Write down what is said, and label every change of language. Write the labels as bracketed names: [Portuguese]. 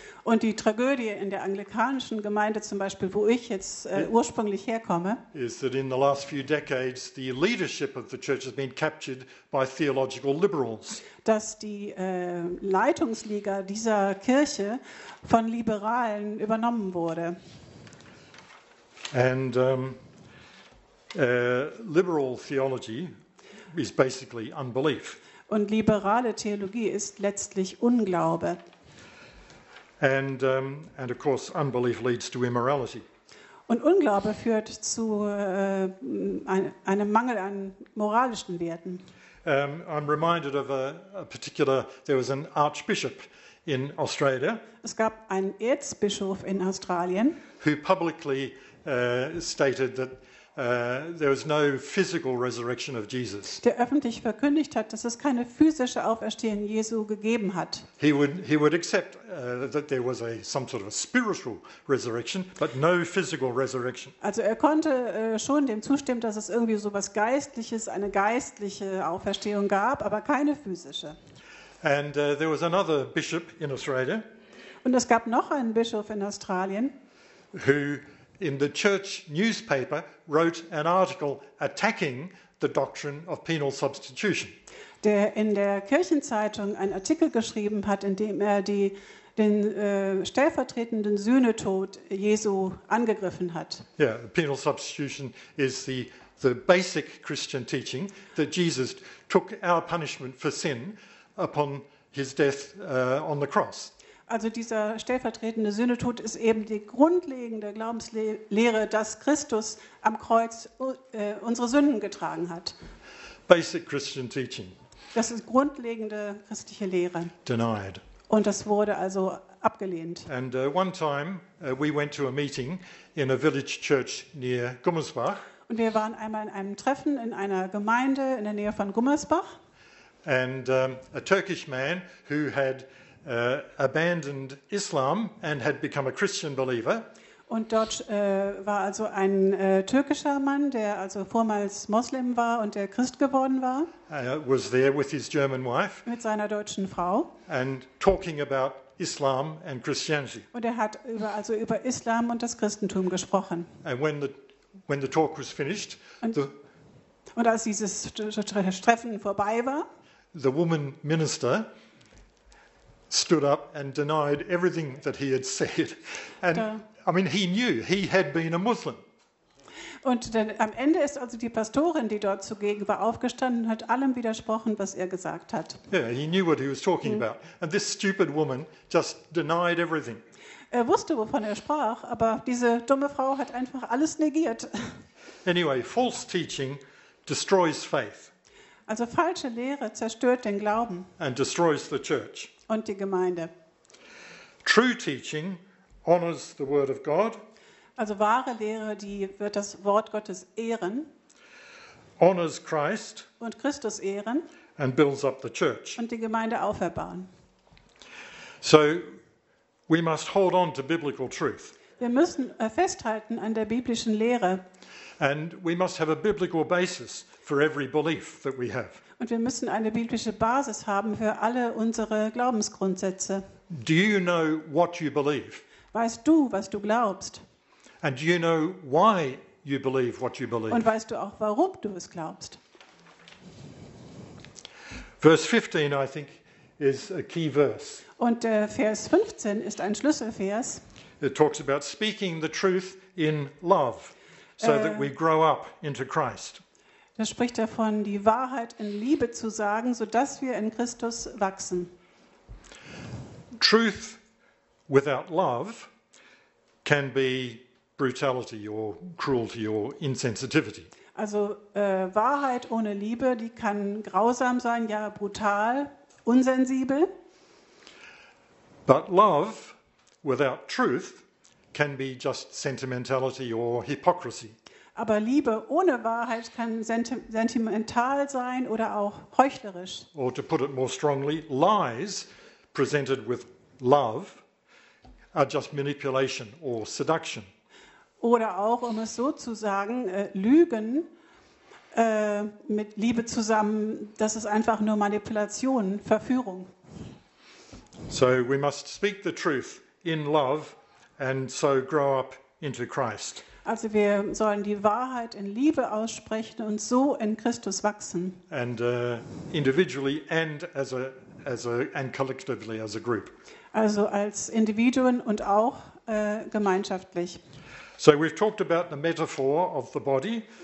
[German] Und die Tragödie in der anglikanischen Gemeinde zum Beispiel, wo ich jetzt ursprünglich herkomme, [English] is that in the last few decades the leadership of the church has been captured by theological liberals. [German] Dass die Leitungsliga dieser Kirche von Liberalen übernommen wurde. [English] And liberal theology is basically unbelief. [German] Und liberale Theologie ist letztlich Unglaube. [English] And of course, unbelief leads to immorality. [German] Und Unglaube führt zu einem Mangel an moralischen Werten. [English] I'm reminded of a particular. There was an archbishop in Australia. [German] Es gab einen Erzbischof in Australien, [English] who publicly stated that there was no physical resurrection of Jesus. [German] Der öffentlich verkündigt hat, dass es keine physische Auferstehung Jesu gegeben hat. [English] He would accept that there was some sort of a spiritual resurrection, but no physical resurrection. [German] Also er konnte schon dem zustimmen, dass es irgendwie sowas Geistliches, eine geistliche Auferstehung gab, aber keine physische. [English] And there was another bishop in Australia. [German] Und es gab noch einen Bischof in Australien, [English] who in the church newspaper wrote an article attacking the doctrine of penal substitution. [German] Der in der Kirchenzeitung einen Artikel geschrieben hat, in dem er den stellvertretenden Sühnetod Jesu angegriffen hat. [English] Yeah, penal substitution is the basic Christian teaching that Jesus took our punishment for sin upon his death on the cross. [German] Also dieser stellvertretende Sühnetod ist eben die grundlegende Glaubenslehre, dass Christus am Kreuz unsere Sünden getragen hat. [English] Basic Christian teaching. [German] Das ist grundlegende christliche Lehre. [English] Denied. [German] Und das wurde also abgelehnt. [English] And one time we went to a meeting in a village church near Gummersbach. [German] Und wir waren einmal in einem Treffen in einer Gemeinde in der Nähe von Gummersbach. [English] And a Turkish man who had abandoned Islam and had become a Christian believer. [German] Und dort war also ein türkischer Mann, der also vormals Moslem war und der Christ geworden war. [English] Was there with his German wife. [German] Mit seiner deutschen Frau. [English] And talking about Islam and Christianity. [German] Und er hat über Islam und das Christentum gesprochen. [English] And when the talk was finished. [German] Und als dieses Treffen vorbei war. [English] The woman minister stood up and denied everything that he had said. And I mean, he knew he had been a Muslim. [German] Und dann am Ende ist also die Pastorin, die dort zugegen war, aufgestanden und hat allem widersprochen, was er gesagt hat. [English] Yeah, he knew what he was talking about. And this stupid woman just denied everything. [German] Er wusste, wovon er sprach, aber diese dumme Frau hat einfach alles negiert. [English] Anyway, false teaching destroys faith. [German] Also falsche Lehre zerstört den Glauben. [English] And destroys the church. [German] Und die Gemeinde. [English] True teaching honors the word of God. [German] Also wahre Lehre, die wird das Wort Gottes ehren. [English] Honors Christ. [German] Und Christus ehren. [English] And builds up the church. [German] Und die Gemeinde auferbauen. [English] So we must hold on to biblical truth. [German] Wir müssen festhalten an der biblischen Lehre. [English] And we must have a biblical basis for every belief that we have. [German] Und wir müssen eine biblische Basis haben für alle unsere Glaubensgrundsätze. [English] Do you know what you believe? [German] Weißt du, was du glaubst? [English] And do you know why you believe what you believe? [German] Und weißt du auch, warum du es glaubst? [English] Verse 15, I think, is a key verse. [German] Und Vers 15 ist ein Schlüsselvers. [English] It talks about speaking the truth in love, so that we grow up into Christ. [German] Das spricht davon, die Wahrheit in Liebe zu sagen, so dass wir in Christus wachsen. [English] Truth without love can be brutality or cruelty or insensitivity. [German] Also Wahrheit ohne Liebe, die kann grausam sein, ja brutal, unsensibel. [English] But love without truth can be just sentimentality or hypocrisy. [German] Aber Liebe ohne Wahrheit kann sentimental sein oder auch heuchlerisch. [English] Or to put it more strongly, lies presented with love are just manipulation or seduction. [German] Oder auch, um es so zu sagen, Lügen mit Liebe zusammen, das ist einfach nur Manipulation, Verführung. [English] So we must speak the truth in love and so grow up into Christ. [German] Also wir sollen die Wahrheit in Liebe aussprechen und so in Christus wachsen. [English] And individually and as a collectively as a group. [German] Also als Individuen und auch gemeinschaftlich. [English] So we've talked about the metaphor of the body.